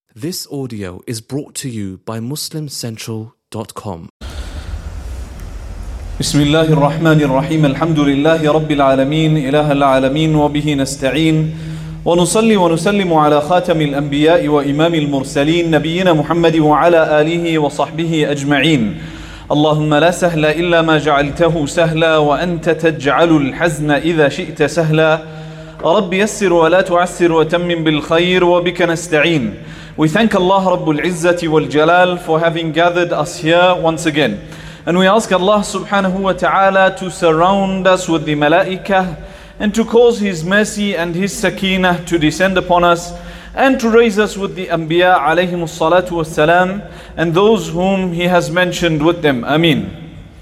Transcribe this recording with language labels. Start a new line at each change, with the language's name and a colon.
English: This audio is brought to you by MuslimCentral.com.
Arabic: بسم الله الرحمن الرحيم الحمد لله رب العالمين إله العالمين وبه نستعين ونصلي ونسلم على خاتم الأنبياء وإمام المرسلين نبينا محمد وعلى آله وصحبه أجمعين. اللهم لا سهل إلا ما جعلته سهلا وأنت تجعل الحزن إذا شئت سهلا. رب يسر ولا تعسر وتمم بالخير وبك نستعين.
English: We thank Allah Rabbul Izzati wal Jalal for having gathered us here once again. And we ask Allah subhanahu wa ta'ala to surround us with the malaika and to cause His mercy and His sakinah to descend upon us and to raise us with the anbiya alayhimu salatu wa salam and those whom He has mentioned with them. Ameen.